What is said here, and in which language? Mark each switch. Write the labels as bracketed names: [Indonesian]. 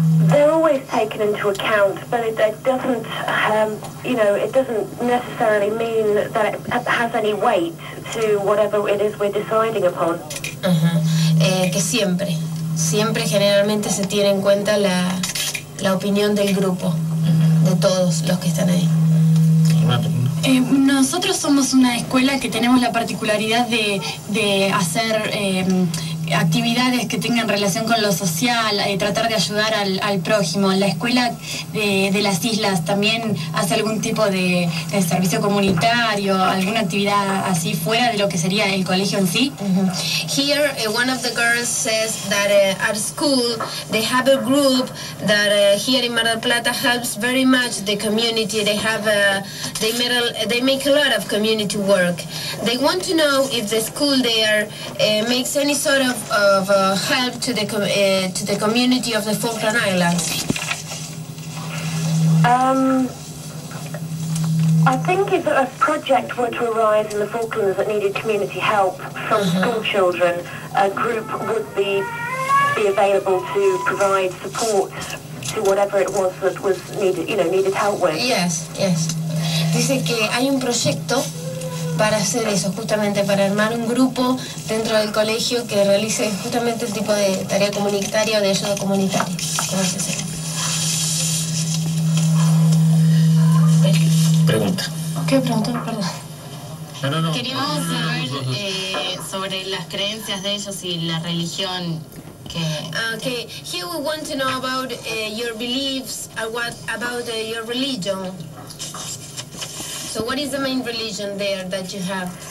[English] They're always taken into account, but it doesn't, you know, it doesn't necessarily mean that it has any weight to whatever it is we're deciding upon. Uh-huh. [Spanish] Que siempre generalmente se tiene en cuenta la opinión del grupo, de todos los que están ahí. Nosotros somos una escuela que tenemos la particularidad de hacer actividades que tengan relación con lo social, tratar de ayudar al prójimo. La escuela de las islas también hace algún tipo de servicio comunitario, alguna actividad así fuera de lo que sería el colegio en sí. Uh-huh. [English] Here, one of the girls says that at school they have a group that here in Mar del Plata helps very much the community. They have they make a lot of community work. They want to know if the school there makes any sort of help to the community of the Falkland Islands. I think if a project were to arise in the Falklands that needed community help from school children, a group would be available to provide support to whatever it was that was needed, you know, needed help with. Yes, yes. [Spanish] Dice que hay un proyecto para hacer eso, justamente para armar un grupo dentro del colegio que realice justamente el tipo de tarea comunitaria o de ayuda comunitaria. ¿Cómo se hace? Pregunta. ¿Qué pregunta? Perdón. No. Queríamos saber sobre las creencias de ellos y la religión. [English] Okay, here we want to know about your beliefs, about your religion. So what is the main religion there that you have?